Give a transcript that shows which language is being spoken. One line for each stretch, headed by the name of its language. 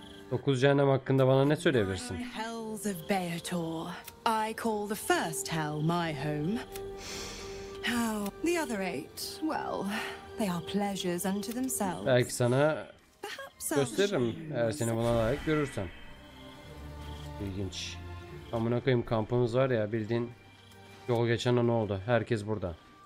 Turkish: Dokuz cehennem hakkında bana ne söyleyebilirsin? Of Beator.
English: I call the first hell my home. How the other eight? Well, they are pleasures unto themselves.
Turkish: Belki sana gösteririm eğer seni buna layık görürsen. İlginç. Amına koyayım kampımız var ya, bildiğin yol geçen ne oldu? Herkes burada.